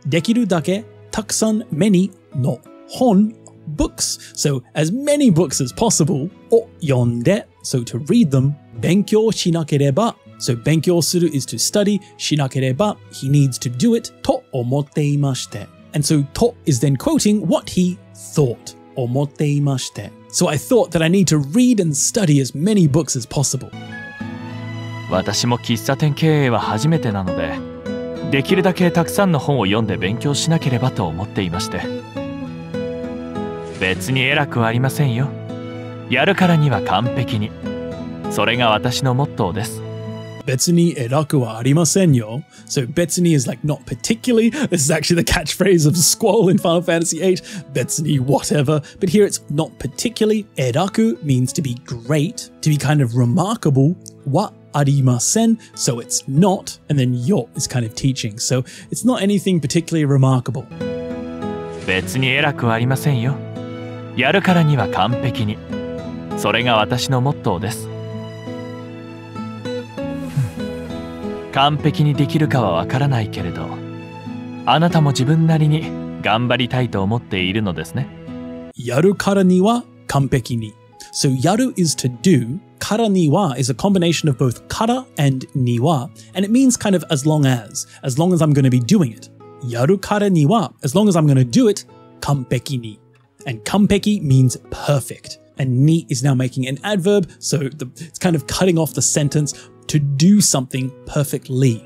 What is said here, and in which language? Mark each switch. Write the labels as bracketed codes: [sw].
[ja] Dekiru dake, takusan [en] many no hon, books, so as many books as possible, o yonde, so to read them, benkyou shinakereba, so benkyou suru is to study, shinakereba, he needs to do it, [ja] to omotte imashite. [en] And so to is then quoting what he thought, [ja] omotte imashite. [en] So I thought that I need to read and study as many books as possible. [ja] 私も喫茶店経営は初めてなので、できるだけたくさんの本を読んで勉強しなければと思っていまして。別に偉くはありませんよ。やるからには完璧に。それが私のモットーです。別に偉くはありませんよ。 [en] So 別に is like not particularly. This is actually the catchphrase of Squall in Final Fantasy VIII. 別に whatever. But here it's not particularly. 偉く means to be great, to be kind of remarkable. [ja] はありません. [en] So it's not. And then よ is kind of teaching. So it's not anything particularly remarkable. [ja] 別に偉くはありませんよ。やるからには完璧に。それが私のモットーです。完璧にできるかはわからないけれど、あなたも自分なりに頑張りたいと思っているのですね。やるからには完璧に。 [en] So やる is to do, からには is a combination of both から and には, and it means kind of as long as I'm going to be doing it. やるからには, as long as I'm going to do it, 完璧に. And 完璧 means perfect. And に is now making an adverb, so it's kind of cutting off the sentence,to do something perfectly.